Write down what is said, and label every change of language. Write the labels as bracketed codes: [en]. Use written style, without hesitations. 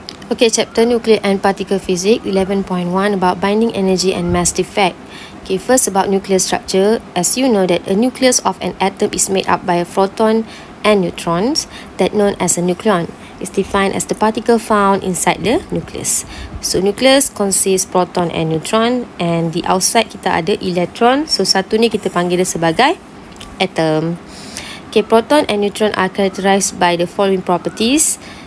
[en] Okay, chapter nuclear and particle physics 11.1 about binding energy and mass defect. Okay, first about nuclear structure. As you know that a nucleus of an atom is made up by a proton and neutrons, that known as a nucleon. It's defined as the particle found inside the nucleus. So nucleus consists proton and neutron, and the outside [ms] kita ada [en] electron. [ms] So satu ni kita panggil dia sebagai atom. [en] Okay, proton and neutron are characterized by the following properties.